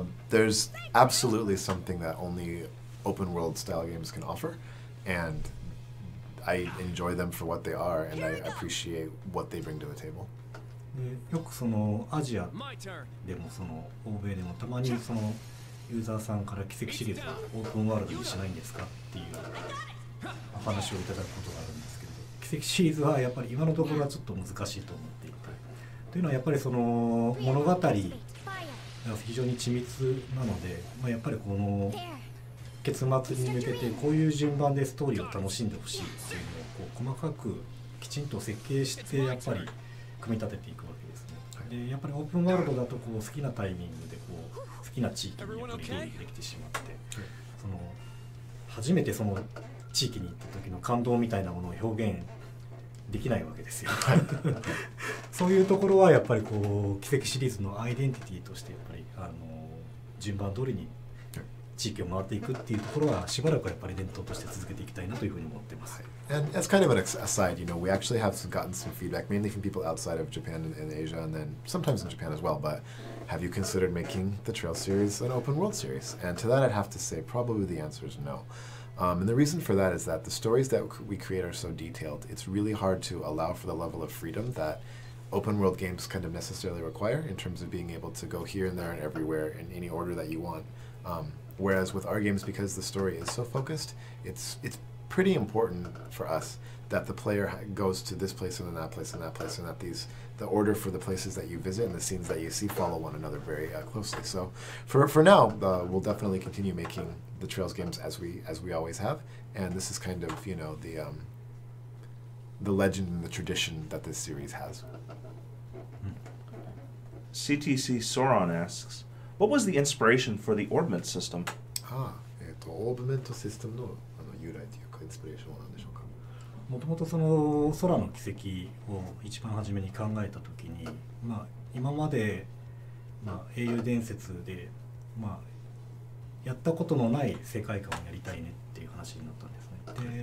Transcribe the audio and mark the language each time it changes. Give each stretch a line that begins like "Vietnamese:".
English: There's absolutely something that only open world style games can offer, and I enjoy them for what they are, and I appreciate what they bring to the table.
Japanese: よくそのアジアでもその欧米でもたまにそのユーザーさんから奇跡シリーズはオープンワールドにしないんですかっていう話をいただくことがあるんですけど、奇跡シリーズはやっぱり今のところはちょっと難しいと思っていて、というのはやっぱりその物語が非常に緻密なので、まあ、やっぱりこの結末に向けてこういう順番でストーリーを楽しんでほしいっていうのをこう細かくきちんと設計してやっぱり組み立てていくわけですね。でやっぱりオープンワールドだとこう好きなタイミングでこう好きな地域にやっぱり出入りできてしまって、その初めてその地域に行った時の感動みたいなものを表現できないわけですよ。そういうところはやっぱりこう奇跡シリーズのアイデンティティとしてやっぱり順番通りに地域を回っていくっていうところはしばらくはやっぱり伝統として続けていきたいなというふうに思ってます。
English: And as kind of an aside, you know, we actually have gotten some feedback, mainly from people outside of Japan and Asia, and then sometimes in Japan as well, but have you considered making the Trails series an open world series? And to that I'd have to say probably the answer is no. And the reason for that is that the stories that we create are so detailed, it's really hard to allow for the level of freedom that open world games kind of necessarily require in terms of being able to go here and there and everywhere in any order that you want. Whereas with our games, because the story is so focused, it's pretty important for us that the player goes to this place and then that place and that place, and that these the order for the places that you visit and the scenes that you see follow one another very closely. So for now, we'll definitely continue making the Trails games as we always have, and this is kind of, you know, the legend and the tradition that this series has. CTC Sauron asks, what was the inspiration for the Orbment system?
Japanese: Orbment system の由来というか、インスピレーションは何でしょうか。もともとその空の軌跡を一番初めに考えたときに、まあ、今まで、まあ、英雄伝説で、まあ、やったことのない世界観をやりたいねっていう話になったんですね。